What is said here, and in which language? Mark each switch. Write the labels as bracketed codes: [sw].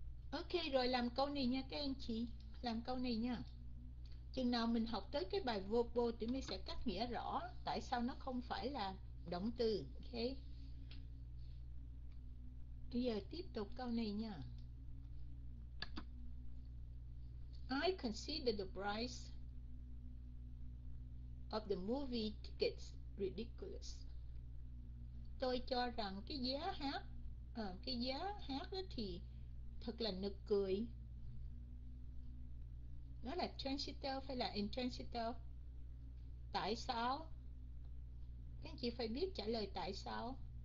[vi] Ok rồi, làm câu này nha các anh chị. Làm câu này nha. Chừng nào mình học tới cái bài verbal thì mình sẽ cắt nghĩa rõ tại sao nó không phải là động từ. Ok. Bây giờ tiếp tục câu này nha. [en] I consider the price of the movie tickets ridiculous. [vi] Tôi cho rằng cái giá hát cái giá hát đó thì thật là nực cười. Nó là transitive hay là intransitive? Tại sao? Các anh chị phải biết trả lời tại sao.